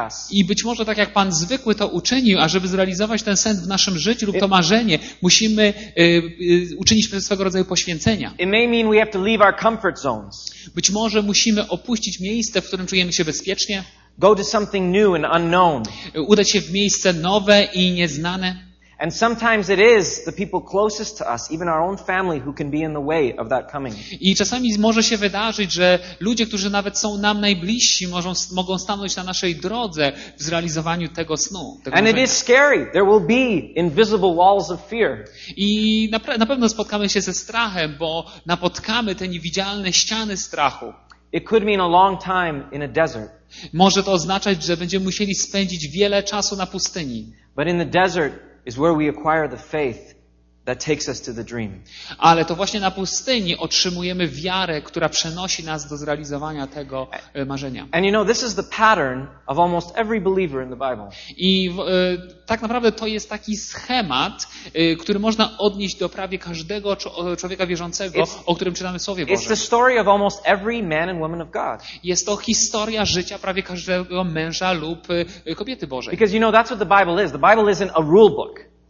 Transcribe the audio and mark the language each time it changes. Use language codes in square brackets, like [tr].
[pl] I być może tak jak Pan zwykły to uczynił, a żeby zrealizować ten sen w naszym życiu lub to marzenie, musimy uczynić swego rodzaju poświęcenia. [en] It may mean we have to leave our comfort zones. [pl] Być może musimy opuścić miejsce, w którym czujemy się bezpiecznie. [en] Go to something new and unknown. [pl] Udać się w miejsce nowe i nieznane. [en] And sometimes it is the people closest to us, even our own family, who can be in the way of that coming. [pl] I czasami może się wydarzyć, że ludzie, którzy nawet są nam najbliżsi, mogą stanąć na naszej drodze w zrealizowaniu tego snu. [en] And it is scary. There will be invisible walls of fear. [pl] I na pewno spotkamy się ze strachem, bo napotkamy te niewidzialne ściany strachu. [en] It could mean a long time in a desert. [pl] Może to oznaczać, że będziemy musieli spędzić wiele czasu na pustyni. [en] But in the desert is where we acquire the faith that takes us to the dream. [pl] Ale to właśnie na pustyni otrzymujemy wiarę, która przenosi nas do zrealizowania tego marzenia. [en] And you know, this is the pattern of almost every believer in the Bible. [pl] I tak naprawdę to jest taki schemat, który można odnieść do prawie każdego człowieka wierzącego, o którym czytamy w Słowie Bożym. [en] It's the story of almost every man and woman of God. [pl] Jest to historia życia prawie każdego męża lub kobiety Bożej. [en] Because you know, that's what the Bible is. The Bible isn't a rule book.